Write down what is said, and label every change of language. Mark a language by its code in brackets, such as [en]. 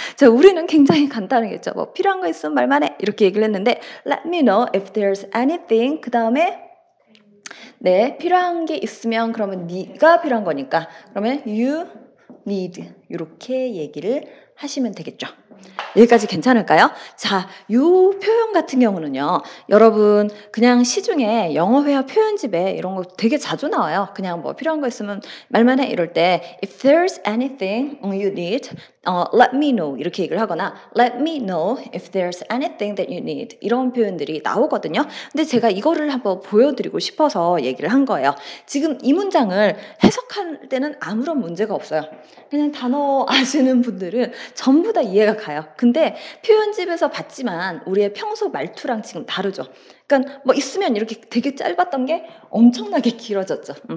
[ko] 자, 우리는 굉장히 간단하겠죠. 뭐 필요한 거 있으면 말만 해. 이렇게 얘기를 했는데 [en] let me know if there's anything [ko] 그다음에 네, 필요한 게 있으면 그러면 네가 필요한 거니까 그러면 [en] you need [ko] 이렇게 얘기를 하시면 되겠죠. 여기까지 괜찮을까요? 자, 요 표현 같은 경우는요. 여러분 그냥 시중에 영어회화 표현집에 이런 거 되게 자주 나와요. 그냥 뭐 필요한 거 있으면 말만 해 이럴 때 [en] If there's anything you need, let me know [ko] 이렇게 얘기를 하거나 [en] Let me know if there's anything that you need [ko] 이런 표현들이 나오거든요. 근데 제가 이거를 한번 보여드리고 싶어서 얘기를 한 거예요. 지금 이 문장을 해석할 때는 아무런 문제가 없어요. 그냥 단어 아시는 분들은 전부 다 이해가 가요. 근데 표현집에서 봤지만 우리의 평소 말투랑 지금 다르죠. 그러니까 뭐 있으면 이렇게 되게 짧았던 게 엄청나게 길어졌죠.